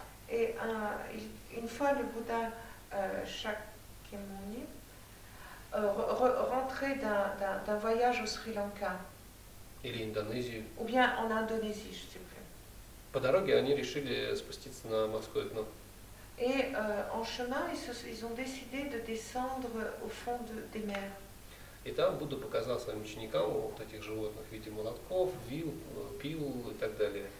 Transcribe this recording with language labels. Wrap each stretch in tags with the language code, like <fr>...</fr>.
<fr>И une fois le Bouddha Шакьямуни rentré d'un voyage au Sri-Lanka.</fr> <ru>Или Индонезию.</ru> <fr>Ou bien en Indonésie, je sais plus.</fr> <ru>По дороге они решили спуститься на морское дно.</ru> <fr>Et en chemin, ils ont décidé de descendre au fond des mers.</fr> <ru>Et там Будда показал своим ученикам вот этих животных в виде молотков, вил, пил и так далее.</ru>